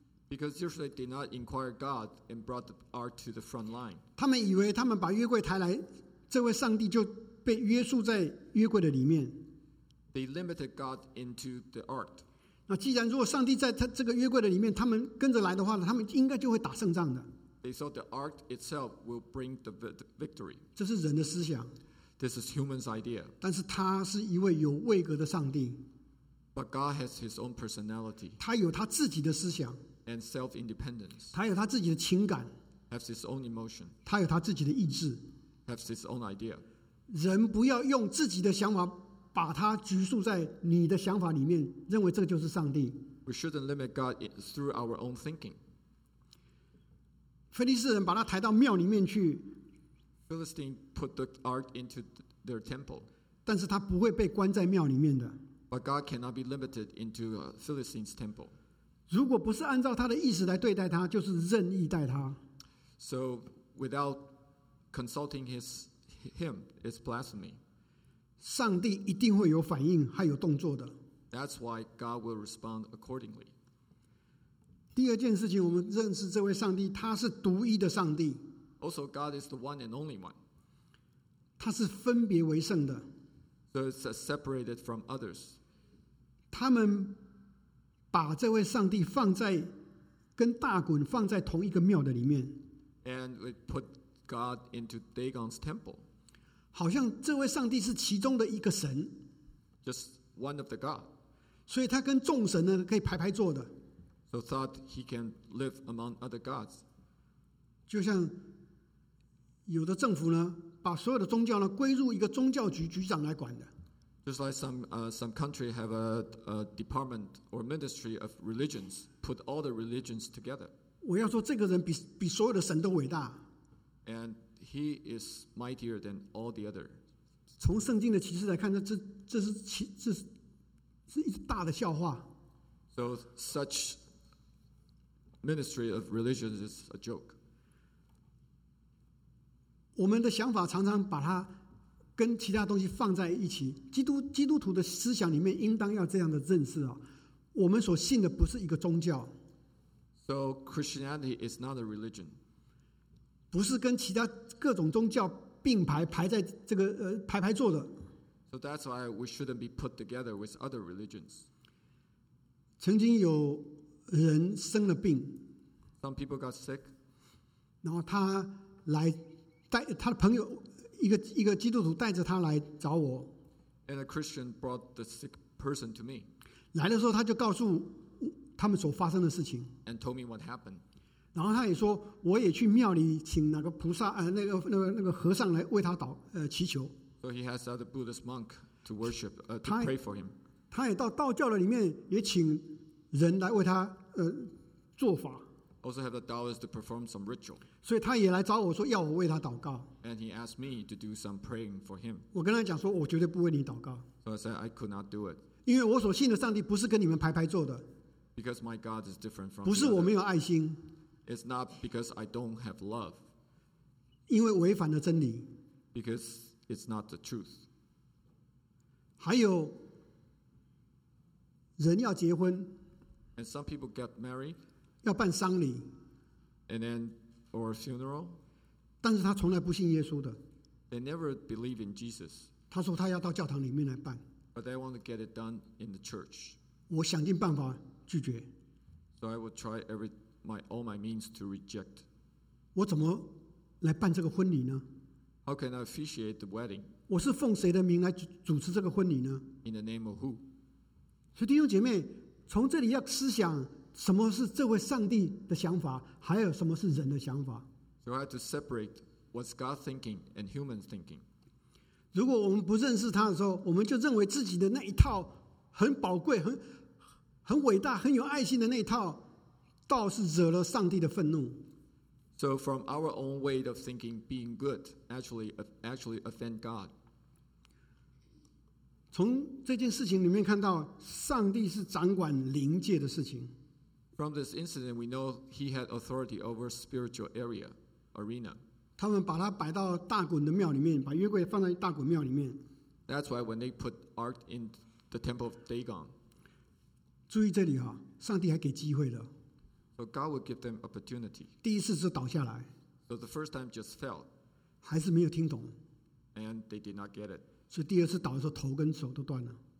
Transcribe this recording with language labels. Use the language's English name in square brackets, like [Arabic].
[English] Because Israel did not inquire God and brought the ark to the front line. [Chinese] 他们以为他们把约柜抬来，这位上帝就被约束在约柜的里面。 [English] They limited God into the ark. [Chinese] 那既然如果上帝在他这个约柜的里面，他们跟着来的话，他们应该就会打胜仗的。 [English] They thought the ark itself will bring the victory. [Chinese] 这是人的思想。 [English] This is human's idea. [Chinese] 但是他是一位有位格的上帝。 [English] But God has His own personality. [Chinese] 他有他自己的思想。 [English] And self-independence. [Chinese] 他有他自己的情感。 [English] Has His own emotion. [Chinese] 他有他自己的意志。 [English] Has His own idea. [Chinese] 人不要用自己的想法把他拘束在你的想法里面，认为这就是上帝。 [English] We shouldn't limit God through our own thinking. [Chinese] 腓力士人把他抬到庙里面去。 [English] Philistine put the ark into their temple. [Chinese] 但是他不会被关在庙里面的。 [English] But God cannot be limited into a Philistine's temple. [Chinese] 如果不是按照他的意思来对待他，就是任意待他。 [English] So without consulting him, it's blasphemy. [Chinese] 上帝一定会有反应，还有动作的。 [English] That's why God will respond accordingly. [Chinese] 第二件事情，我们认识这位上帝，他是独一的上帝。 [English] Also, God is the one and only one. [Chinese] 他是分别为圣的。 [English] So it's separated from others. [Chinese] 他们把这位上帝放在跟大衮放在同一个庙的里面。 [English] And we put God into Dagon's temple. [Chinese] 好像这位上帝是其中的一个神。 [English] Just one of the God. [Chinese] 所以他跟众神呢可以排排坐的。 [English] So thought he can live among other gods. [Chinese] 就像有的政府呢把所有的宗教呢归入一个宗教局局长来管的。 [English] Just like some country have a department or ministry of religions, put all the religions together. [Chinese] 我要说这个人 比所有的神都伟大。 [English] And he is mightier than all the other. [Chinese] 从圣经的启示来看， 这是一大的笑话。 [English] So such ministry of religions is a joke. [Chinese] 我们的想法常常把它跟其他东西放在一起。基督徒的思想里面应当要这样的认识啊，我们所信的不是一个宗教。 [English] So Christianity is not a religion. [Chinese] 不是跟其他各种宗教并排排在这个排排坐的。 [English] So that's why we shouldn't be put together with other religions. [Chinese] 曾经有人生了病。 [English] Some people got sick. [Chinese] 然后他来。他的朋友一个基督徒带着他来找我。 [English] And a Christian brought the sick person to me. [Chinese] 来的时候他就告诉他们所发生的事情。 [English] And told me what happened. [Chinese] 然后他也说我也去庙里请那个菩萨那个和尚来为他祈求。 [English] So he has other Buddhist monk to worship, to pray for him. [Chinese] 他也到道教的里面也请人来为他做法。 [English] Also have the Taoists to perform some ritual. [Chinese] 所以他也来找我说要我为他祷告。 [English] And he asked me to do some praying for him. [Chinese] 我跟他讲说我绝对不为你祷告。 [English] So I said I could not do it. [Chinese] 因为我所信的上帝不是跟你们排排坐的。 [English] Because my God is different from. [Chinese] 不是我没有爱心。 [English] It's not because I don't have love. [Chinese] 因为违反了真理。 [English] Because it's not the truth. [Chinese] 还有人要结婚。 [English] And some people get married. [Chinese] 要办丧礼 [English] and then, or funeral, [Chinese] 但是他从来不信耶稣的 [English] they never believe in Jesus, [Chinese] 他说他要到教堂里面来办 [English] but they want to get it done in the church. [Chinese] 我想尽办法拒绝 [English] so I would try all my means to reject. [Chinese] 我怎么来办这个婚礼呢 [English] how can I officiate the wedding? [Chinese] 我是奉谁的名来主持这个婚礼呢 [English] in the name of who? [Chinese] 所以弟兄姐妹从这里要思想什么是这位上帝的想法，还有什么是人的想法 [English] ？So I had to separate what's God thinking and human thinking. [Chinese] 如果我们不认识他的时候，我们就认为自己的那一套很宝贵、很伟大、很有爱心的那一套，倒是惹了上帝的愤怒。 [English] So from our own way of thinking, being good actually offend God. [Chinese] 从这件事情里面看到，上帝是掌管灵界的事情。 [English] From this incident, we know he had authority over spiritual area, arena. [Chinese] 他们把它摆到大衮的庙里面，把约柜放在大衮庙里面。 [English] That's why when they put ark in the temple of Dagon. [Chinese] 注意这里啊，上帝还给机会了。 [English] So God would give them opportunity. [Chinese] 第一次就倒下来。 [English] So the first time just fell. [Chinese] 还是没有听懂。 [English] And they did not get it. [Chinese] 所以第二次倒的时候，头跟手都断了。